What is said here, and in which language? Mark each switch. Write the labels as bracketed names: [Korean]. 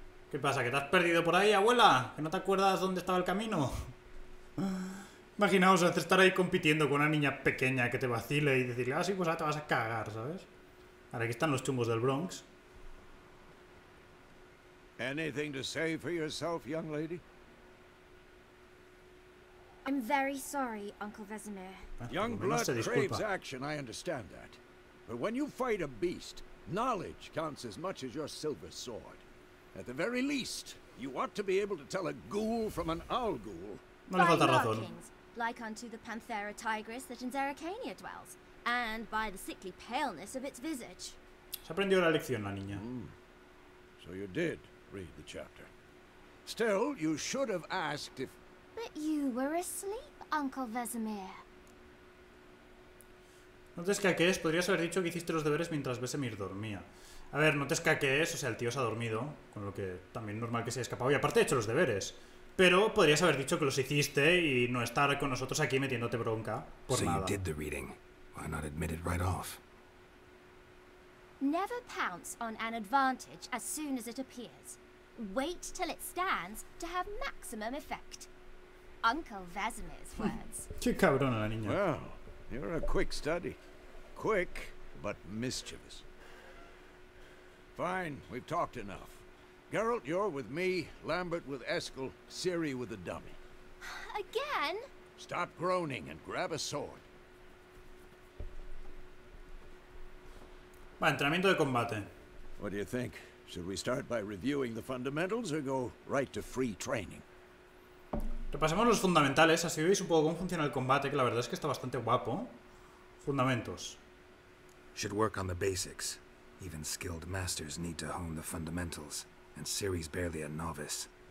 [Spanish] ¿Qué pasa? ¿Que te has perdido por ahí, abuela? ¿Que no te acuerdas dónde estaba el camino? Imaginaos estar ahí compitiendo con una niña pequeña que te vacile y decirle, ah, sí, pues ahora te vas a cagar, ¿sabes? Ahora aquí están los chungos del Bronx. [English] Anything to say for yourself, young lady? I'm very sorry, Uncle Vesemir. Young blood craves action, I understand that. But when you fight a beast, knowledge counts as much as your silver sword. At the very least, you ought to be able to tell a ghoul from an owl ghoul. [Spanish] No le falta razón. [English] Like unto the panthera tigris that in Zeracania dwells, and by the sickly paleness of its visage. [Spanish] Se aprendió la lección, la niña. [English] So you did read the chapter. Still, you should have asked if... But you were asleep, Uncle Vesemir. [Spanish] No te escaquees, podrías haber dicho que hiciste los deberes mientras Vesemir dormía. A ver, no te escaquees, o sea, el tío se ha dormido, con lo que también es normal que se haya escapado, y aparte ha hecho los deberes. Pero podrías haber dicho que los hiciste y no estar con nosotros aquí metiéndote bronca por [English] nada. So you did the reading. Why not admit it right off? Never pounce on an advantage as soon as it appears. Wait till it stands to have maximum effect. Uncle Vesemir's words. [Spanish] Qué cabrona la niña. [English] Well, you're a quick study. Quick, but mischievous. Fine, we've talked enough. Geralt, you're with me, Lambert with Eskel, Ciri with the dummy. Again? Stop groaning and grab a sword. [Spanish] Va, entrenamiento de combate. [English] What do you think? Should we start by reviewing the fundamentals or go right to free training? [Spanish] Repasemos los fundamentales, así veis un poco cómo funciona el combate, que la verdad es que está bastante guapo. Fundamentos. [English] Should work on the basics. Even skilled masters need to hone the fundamentals. And Ciri's barely a novice.